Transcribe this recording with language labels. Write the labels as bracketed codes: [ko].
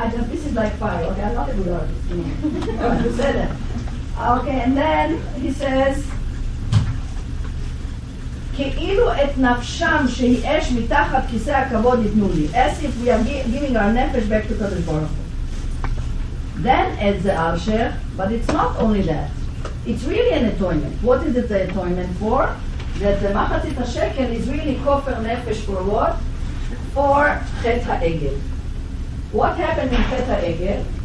[en] This is like fire. Okay, I'm not a good artist. You said that. Okay, and then he says, [he] כאילו את נפשם שהיא אש מתחת כיסא הכבוד יתנו לי. [en] As if we are giving our nefesh back to Kodesh Baruch Hu. Then adds the Alsher, but it's not only that. It's really an atonement. What is it the atonement for? That the machatzit ha-shekel is really kofer nefesh for what? For chet ha-egel. What happened in chet ha-egel?